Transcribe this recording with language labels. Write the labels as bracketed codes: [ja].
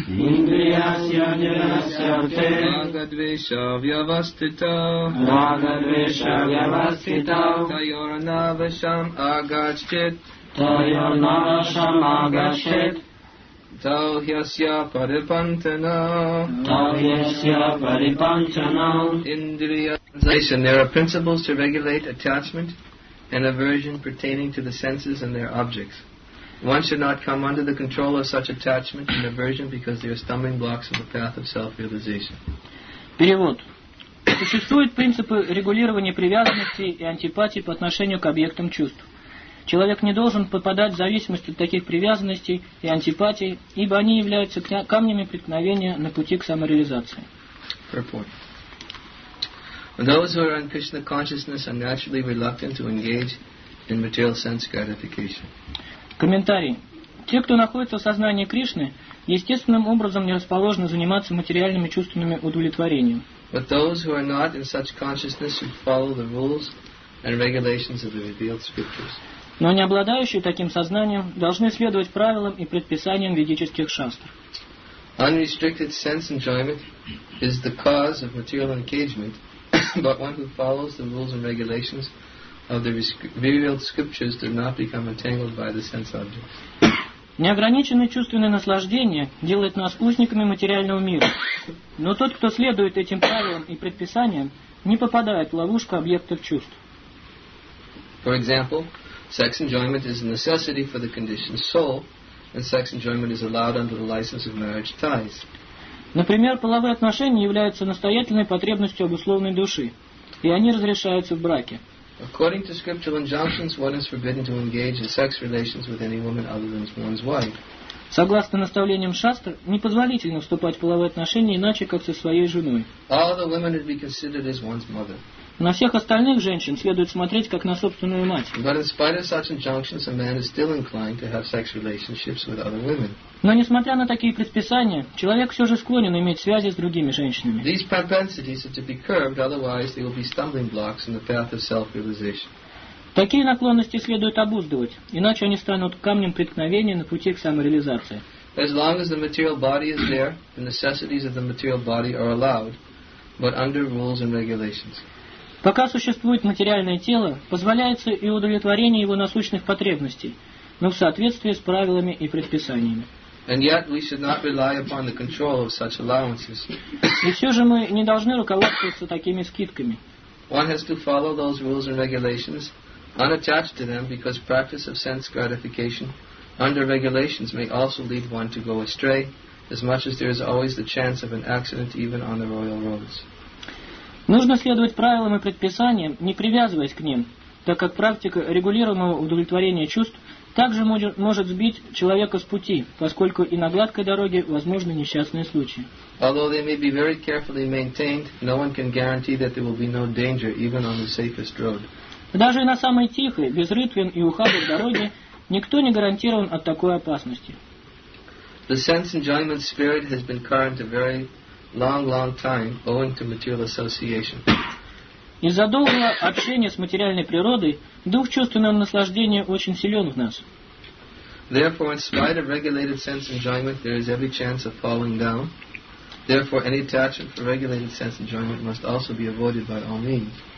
[sa] Магадвеша-вьявастита, Тайор-навашам-агачет, Тау-хьясья-парипанчана. [ru] Здесь, [en] and there are principles to regulate attachment and aversion pertaining to the senses and their objects. One should not come under the control of such attachment and aversion because they are stumbling blocks in the path of self-realization. [ru] Перевод. Существуют принципы регулирования привязанности и антипатии по отношению к объектам чувств. Человек не должен попадать в зависимость от таких привязанностей и антипатий, ибо они являются камнями преткновения на пути к самореализации. [en] Purport. Those who are in Krishna consciousness are naturally reluctant to engage in material sense gratification. [ru] Комментарий. Те, кто находится в сознании Кришны, естественным образом не расположены заниматься материальными чувственными удовлетворением. [en] But those who are not in such consciousness should follow the rules and regulations of the revealed scriptures. [ru] Но не обладающие таким сознанием должны следовать правилам и предписаниям ведических шастр. [en] Unrestricted sense enjoyment is the cause of material engagement, but one who follows the rules and regulations of the revealed scriptures do not become entangled by the sense objects. [ru] Неограниченное чувственное наслаждение делает нас узниками материального мира. Но тот, кто следует этим правилам и предписаниям, не попадает в ловушку объектов чувств. [en] For example, sex enjoyment is a necessity for the conditioned soul, and sex enjoyment is allowed under the license of marriage ties. [ru] Например, половые отношения являются настоятельной потребностью обусловленной души, и они разрешаются в браке. [en] According to scriptural injunctions, one is forbidden to engage in sex relations with any woman other than one's wife. [ru] Согласно наставлениям шастр, непозволительно вступать в половые отношения иначе, как со своей женой. [en] All the women would be considered as one's mother. [ru] На всех остальных женщин следует смотреть как на собственную мать. [en] But in spite of such injunctions, a man is still inclined to have sex relationships with other women. [ru] Но несмотря на такие предписания, человек все же склонен иметь связи с другими женщинами. [en] These propensities are to be curbed, otherwise they will be stumbling blocks in the path of self-realization. [ru] Такие наклонности следует обуздывать, иначе они станут камнем преткновения на пути к самореализации. [en] As long as the material body is there, the necessities of the material body are allowed, but under rules and regulations. [ru] Пока существует материальное тело, позволяется и удовлетворение его насущных потребностей, но в соответствии с правилами и предписаниями. [en] And yet we should not rely upon the control of such allowances. [ru] И все же мы не должны руководствоваться такими скидками. [en] One has to follow those rules and regulations, unattached to them, because practice of sense gratification under regulations may also lead one to go astray, as much as there is always the chance of an accident even on the royal roads. [ru] Нужно следовать правилам и предписаниям, не привязываясь к ним, так как практика регулируемого удовлетворения чувств также может сбить человека с пути, поскольку и на гладкой дороге возможны несчастные случаи. [en] Although they may be very carefully maintained, no one can guarantee that there will be no danger even on the safest road. [ru] Даже на самой тихой, без рытвин и ухабов дороге никто не гарантирован от такой опасности. [en] The sense enjoyment spirit has been current a very long, long time, owing to material association. [ru] Из-за долгого общения с материальной природой дух чувственного наслаждения очень силен в нас. [en] Therefore, in spite of regulated sense enjoyment, there is every chance of falling down. Therefore, any attachment for regulated sense enjoyment must also be avoided by all means.